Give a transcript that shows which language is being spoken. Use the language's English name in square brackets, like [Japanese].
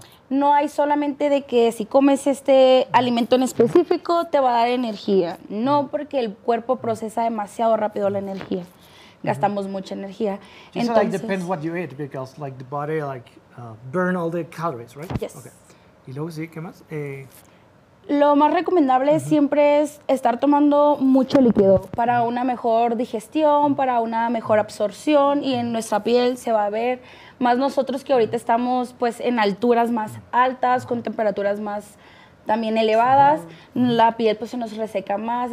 [Spanish] No hay solamente de que si comes este alimento en específico te va a dar energía. No, porque el cuerpo procesa demasiado rápido la energía. Gastamos mucha energía. Entonces, [English] so, like, depends what you eat, because like the body like burn all the calories, right? Yes. [Spanish] Okay. Y luego sí, ¿qué más? Lo más recomendable siempre es estar tomando mucho líquido para una mejor digestión, para una mejor absorción, y en nuestra piel se va a ver. Más nosotros que ahorita estamos pues en alturas más altas, con temperaturas más también elevadas, la piel pues se nos reseca más.